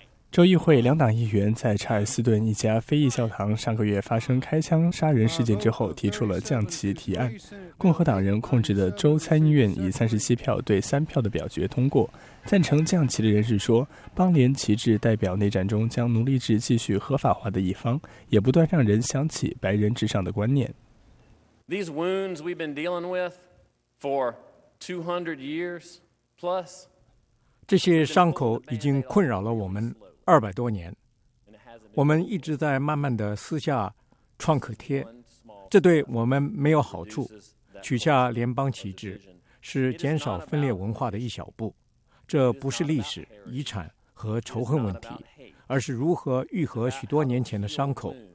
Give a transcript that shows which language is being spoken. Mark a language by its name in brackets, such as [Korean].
[Chinese] 州议会两党议员在查尔斯顿一家非裔教堂上个月发生开枪杀人事件之后提出了降旗提案。共和党人控制的州参议院以37票对3票的表决通过。赞成降旗的人士说，邦联旗帜代表内战中将奴隶制继续合法化的一方，也不断让人想起白人至上的观念。 [English] These wounds we've been dealing with for 200 years plus. [Chinese] 这些伤口已经困扰了我们200多年，我们一直在慢慢地撕下创可贴，这对我们没有好处。取下联邦旗帜是减少分裂文化的一小步，这不是历史、遗产和仇恨问题，而是如何愈合许多年前的伤口。